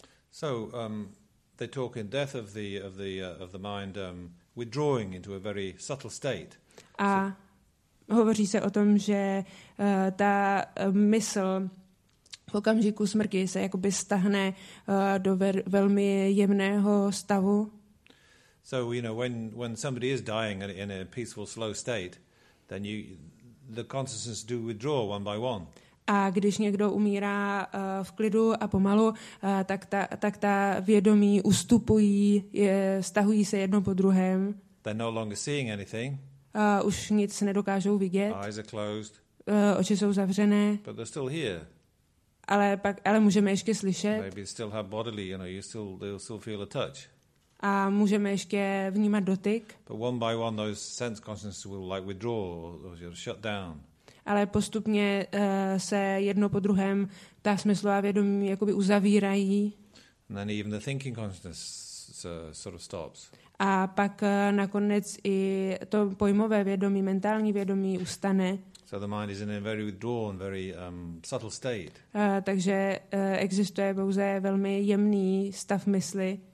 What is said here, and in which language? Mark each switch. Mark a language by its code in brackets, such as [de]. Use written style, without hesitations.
[en] So they talk in death of the mind withdrawing into a very subtle state. [cs] A hovoří se o tom, že ta mysl v okamžiku smrti se jakoby stahne do velmi jemného stavu. [en] So you know when somebody is dying in a peaceful slow state, then you the consciousness do withdraw one by one. [cs] A když někdo umírá v klidu a pomalu, tak ta vědomí ustupují, stahují se jedno po druhém. [en] They're no longer seeing anything. [cs] Už nic nedokážou vidět. [en] Eyes are closed. [cs] Oči jsou zavřené. [en] But they're still here. [cs] Ale můžeme ještě slyšet. [en] Maybe still have bodily, you know, you still feel a touch. [cs] A můžeme ještě vnímat dotyk. [en] But one by one those sense consciousness will like withdraw or shut down. [cs] Ale postupně se jedno po druhém ta smyslová vědomí jakoby uzavírají. [en] And then even the thinking consciousness sort of stops. [cs] A pak nakonec i to pojmové vědomí, mentální vědomí ustane. [en] So the mind is in a very withdrawn, very subtle state. [cs] Takže existuje pouze velmi jemný stav mysli.